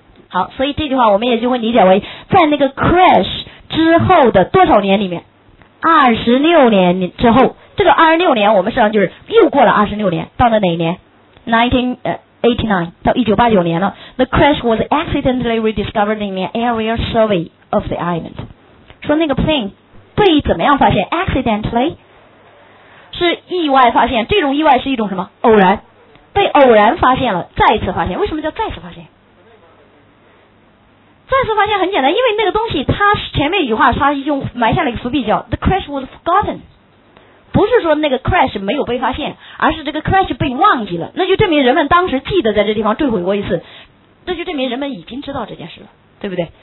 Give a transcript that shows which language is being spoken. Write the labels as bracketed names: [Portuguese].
[Chinese] 好，所以这句话我们也就会理解为，在那个 crash 之后的多少年里面，26年之后，这个26年我们实际上就是又过了26年，到了哪一年？ 1989到1989年了。 [English] The crash was accidentally rediscovered in an aerial survey of the island， [Chinese] 说那个 plane 被怎么样发现？ accidentally 是意外发现，这种意外是一种什么？偶然，被偶然发现了，再次发现。为什么叫再次发现？再次发现很简单，因为那个东西它前面一句话它已经埋下了一个伏笔，叫 [English] the crash was forgotten， [Chinese] 不是说那个 crash 没有被发现，而是这个 crash 被忘记了，那就证明人们当时记得在这地方坠毁过一次，那就证明人们已经知道这件事了，对不对？